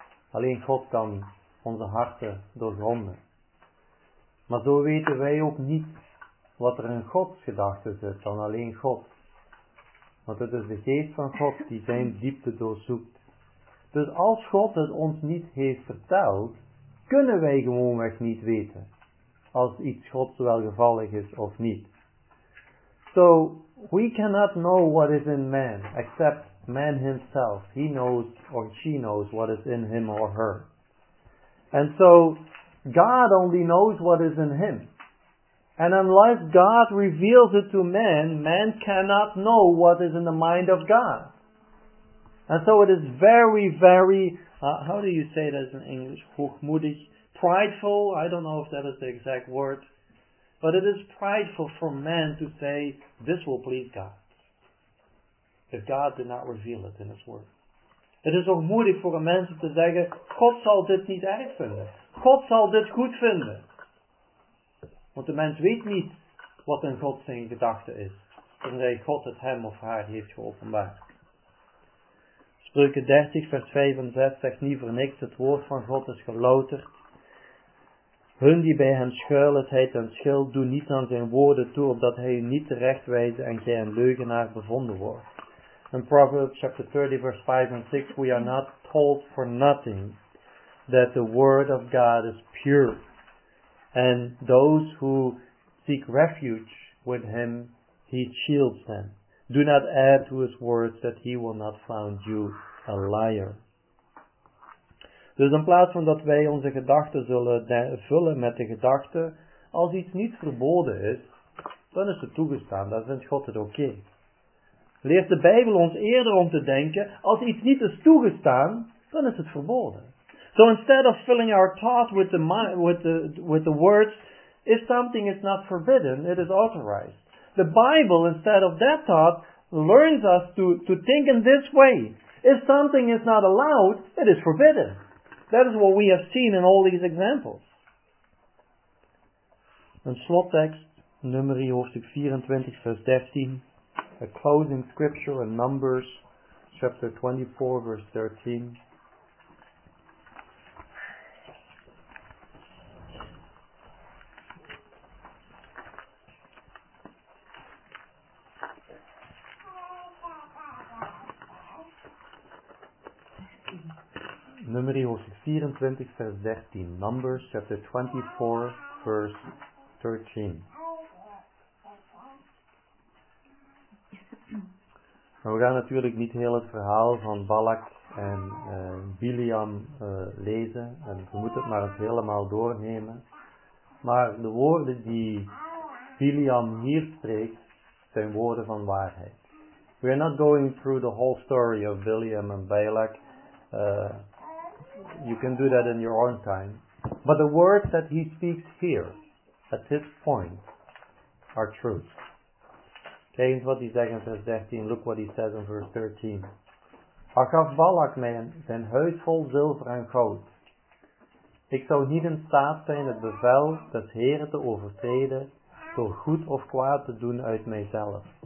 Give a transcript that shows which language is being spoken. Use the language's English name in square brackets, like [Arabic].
[Dutch] Alleen God kan onze harten doorgronden. Maar zo weten wij ook niet wat er in Gods gedachten zit, dan alleen God. Want het is de geest van God die zijn diepte doorzoekt. Dus als God het ons niet heeft verteld, kunnen wij gewoonweg niet weten als iets Gods welgevallig is of niet. [English] So, we cannot know what is in man, except man himself. He knows or she knows what is in him or her. And so, God only knows what is in him. And unless God reveals it to man, man cannot know what is in the mind of God. And so it is very, very, how do you say that in English? Hochmutig, prideful, I don't know if that is the exact word. But it is prideful for man to say, this will please God. If God did not reveal it in his word. [Dutch] Het is hochmutig voor een mens om te zeggen, God zal dit niet erg vinden. God zal dit goed vinden. Want de mens weet niet wat in God zijn gedachte is, tenzij God het hem of haar heeft geopenbaard. Spreuken 30 vers 5 en 6 zegt niet voor niks, het woord van God is gelouterd. Hun die bij hem schuilen, hij ten schild, doe niet aan zijn woorden toe, opdat hij u niet terecht wijze en gij een leugenaar bevonden wordt. [English] In Proverbs chapter 30 [Dutch] vers 5 en 6, [English] we are not told for nothing that the word of God is pure. And those who seek refuge with him, he shields them. Do not add to his words that he will not find you a liar. [Dutch] Dus in plaats van dat wij onze gedachten zullen vullen met de gedachte, als iets niet verboden is, dan is het toegestaan, dan vindt God het oké. Leert de Bijbel ons eerder om te denken, als iets niet is toegestaan, dan is het verboden. [English] So instead of filling our thought with the words, if something is not forbidden, it is authorized. The Bible, instead of that thought, learns us to think in this way. If something is not allowed, it is forbidden. That is what we have seen in all these examples. [Dutch] Een slottekst, Numeri hoofdstuk 24, vers 13. [English] A closing scripture in Numbers, chapter 24, verse 13. [Dutch] Numeri hoofdstuk 24 vers 13. [English] Numbers chapter 24 verse 13. [Dutch] Maar we gaan natuurlijk niet heel het verhaal van Balak en Biliam lezen. En je moet het maar eens helemaal doornemen. Maar de woorden die Biliam hier spreekt, zijn woorden van waarheid. [English] We are not going through the whole story of Biliam and Balak. You can do that in your own time. But the words that he speaks here, at this point, are truth. [Dutch] Kijk eens wat hij zegt in vers 13. [English] Look what he says in verse 13. [Dutch] Hij gaf Balak mij zijn huis vol zilver en goud. Ik zou niet in staat zijn het bevel des Heren te overtreden door goed of kwaad te doen uit mijzelf.